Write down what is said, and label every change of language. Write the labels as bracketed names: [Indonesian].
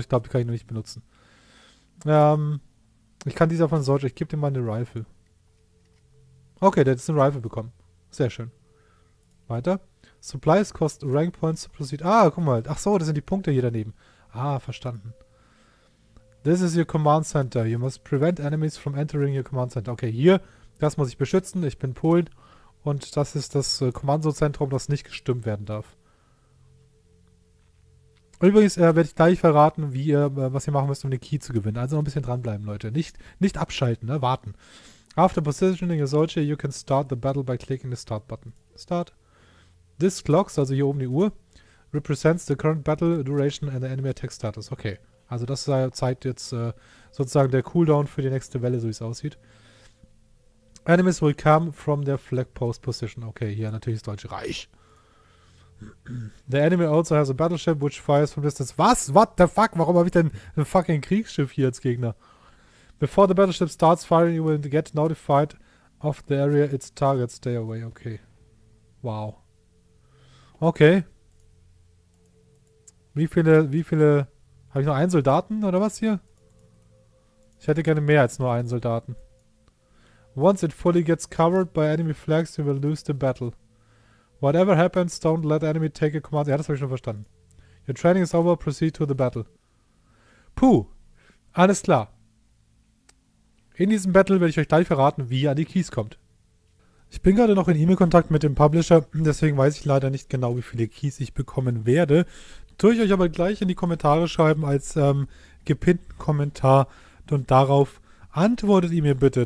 [German] Ich glaube, die kann ich noch nicht benutzen. Ich kann diese von solcher. Ich gebe dir mal eine Rifle. Okay, der hat jetzt eine Rifle bekommen. Sehr schön. Weiter. [English] Supplies cost Rank Points to proceed. [German] Ah, guck mal. Ach so, das sind die Punkte hier daneben. Ah, verstanden. [English] This is your command center. You must prevent enemies from entering your command center. [German] Okay, hier. Das muss ich beschützen. Ich bin Polen. Und das ist das Kommandozentrum, das nicht gestimmt werden darf. Übrigens werde ich gleich verraten, wie ihr, was ihr machen müsst, um den Key zu gewinnen. Also noch ein bisschen dranbleiben, Leute. Nicht abschalten, ne? Warten. [English] After positioning a soldier, you can start the battle by clicking the start button. Start. This clock, [German] also hier oben die Uhr, [English] represents the current battle duration and the enemy attack status. [German] Okay, also das zeigt jetzt sozusagen der Cooldown für die nächste Welle, so wie es aussieht. [English] Enemies will come from their flag post position. [German] Okay, hier natürlich das Deutsche Reich. [English] The enemy also has a battleship which fires from distance. Was? What the fuck? [German] Warum habe ich denn ein fucking Kriegsschiff hier als Gegner? [English] Before the battleship starts firing, you will get notified of the area its targets. Stay away. Okay. Wow. Okay. [German] Wie viele? Habe ich nur einen Soldaten oder was hier? Ich hätte gerne mehr als nur einen Soldaten. [English] Once it fully gets covered by enemy flags, you will lose the battle. Whatever happens, don't let enemy take a command. [German] Ja, das habe ich schon verstanden. [English] Your training is over, proceed to the battle. [German] Puh. Alles klar. In diesem Battle werde ich euch gleich verraten, wie ihr an die Keys kommt. Ich bin gerade noch in E-Mail-Kontakt mit dem Publisher, deswegen weiß ich leider nicht genau, wie viele Keys ich bekommen werde. Tue ich euch aber gleich in die Kommentare schreiben als gepinnten Kommentar und darauf antwortet ihr mir bitte.